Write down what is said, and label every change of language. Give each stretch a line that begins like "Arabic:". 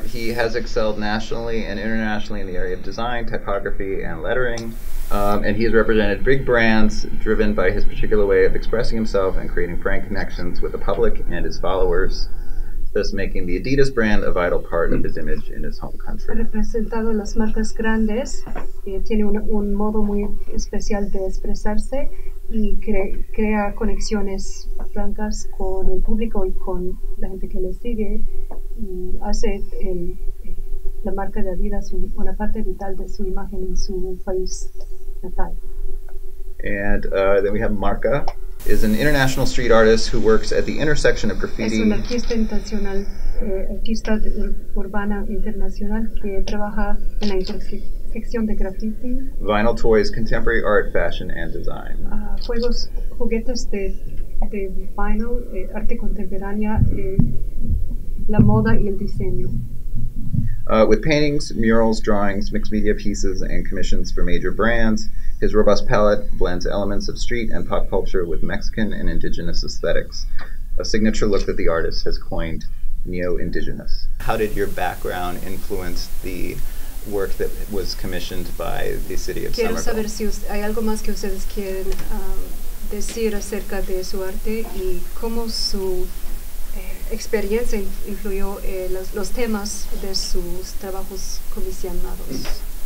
English: He has excelled nationally and internationally in the area of design, typography, and lettering. And he has represented big brands driven by his particular way of expressing himself and creating frank connections with the public and his followers, thus making the Adidas brand a vital part of his image in his home country.
Spanish: Ha representado las marcas grandes, tiene un modo muy especial de expresarse y crea conexiones francas con el público y con la gente que le sigue y hace la marca de Adidas una parte vital de su imagen en su país.
English: And then we have Marca, is an international street artist who works at the intersection of graffiti.
Spanish: Es un artista internacional, artista urbana internacional que trabaja en la intersección de graffiti.
English: Vinyl toys, contemporary art, fashion, and design.
Spanish: Juegos, juguetes de vinyl, arte contemporánea, la moda y el diseño.
English: With paintings, murals, drawings, mixed media pieces, and commissions for major brands, his robust palette blends elements of street and pop culture with Mexican and indigenous aesthetics, a signature look that the artist has coined neo-indigenous. How did your background influence the work that was commissioned by the city of
Spanish: Quiero
English: Somerville?
Spanish: Quiero saber si hay algo más que ustedes quieren decir acerca de su arte y cómo su experiencia influyó los temas de sus trabajos comisionados.